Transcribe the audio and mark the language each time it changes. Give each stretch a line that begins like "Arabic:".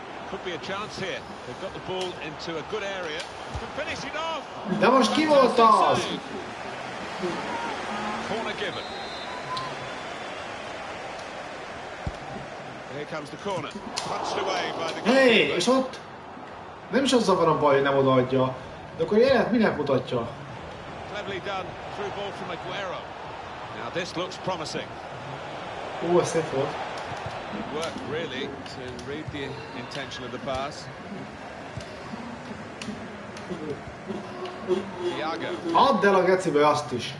English: Could be a chance here. They've got the ball into a good area. Can finish it off.
Hungarian: De most ki volt az?
English: Corner given. Here comes the corner. Punched away by the goalkeeper.
Hungarian: Hey, és ott? Nem is azzal van a baj, hogy nem odaadja. De akkor jelent, minek mutatja?
English: Cleverly done. Through ball from Aguero. Now this looks promising. Ooh, a safe one. Good work, really, to read the intention of the pass. Thiago.
Hungarian: Add el a gecibe azt is.